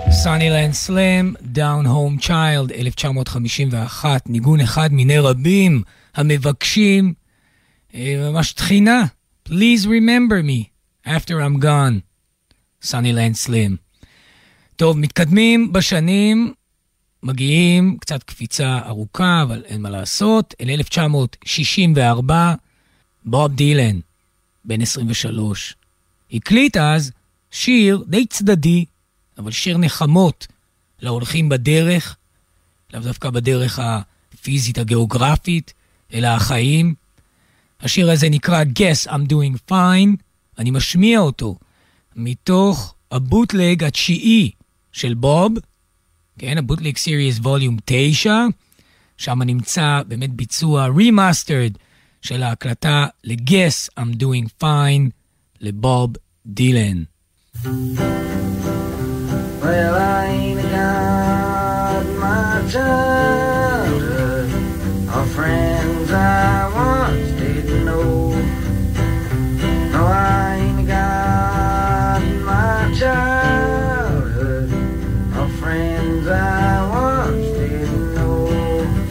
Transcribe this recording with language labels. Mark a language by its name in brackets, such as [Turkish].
[English] Honeyland Slam, Down Home Child, 1951, [Hebrew] ניגון אחד מיני רבים המבקשים, ממש תחינה, [English] Please Remember Me, After I'm Gone, Honeyland Slam. [Hebrew] טוב, מתקדמים בשנים, מגיעים קצת קפיצה ארוכה, אבל אין מה לעשות, אל 1964, בוב דילן, בן 23, הקליט אז שיר די צדדי, אבל שיר נחמות להולכים בדרך, לאו דווקא בדרך הפיזית הגיאוגרפית, אלא החיים. השיר הזה נקרא Guess I'm Doing Fine, אני משמיע אותו מתוך הבוטלג התשיעי של בוב, כן, הבוטלג סיריס ווליום 9, שם נמצא באמת ביצוע רימאסטרד של ההקלטה ל-Guess I'm Doing Fine לבוב דילן. [English] Well, I ain't got my childhood or friends I once didn't know. No, I ain't got my childhood or friends I once didn't know.